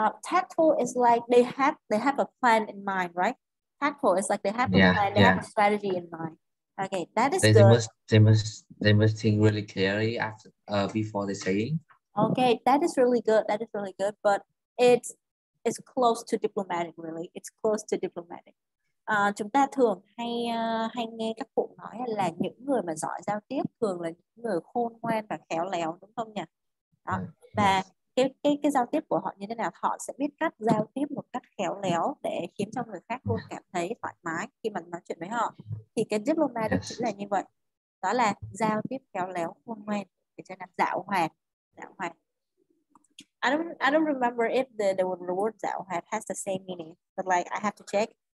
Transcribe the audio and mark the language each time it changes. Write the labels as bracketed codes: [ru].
[en] Tactful is like they have a plan in mind, right? Tactful is like they have a strategy in mind. Okay, that is good. They must think really clearly after before they say. Okay, that is really good. That is really good, but it's close to diplomatic. Really, it's close to diplomatic. [vi] Chúng ta thường hay nghe các cụ nói là những người mà giỏi giao tiếp thường là những người khôn ngoan và khéo léo, đúng không nhỉ? Đó. Và cái giao tiếp của họ như thế nào, họ sẽ biết cách giao tiếp một cách khéo léo để khiến cho người khác luôn cảm thấy thoải mái khi mà nói chuyện với họ. Thì cái diploma đó chính là như vậy, đó là giao tiếp khéo léo khôn ngoan, để cho nó dạo hoạt, dạo hoạt. [en] I don't remember if the word [vi] dạo hoạt [en] has the same meaning, but like I have to check.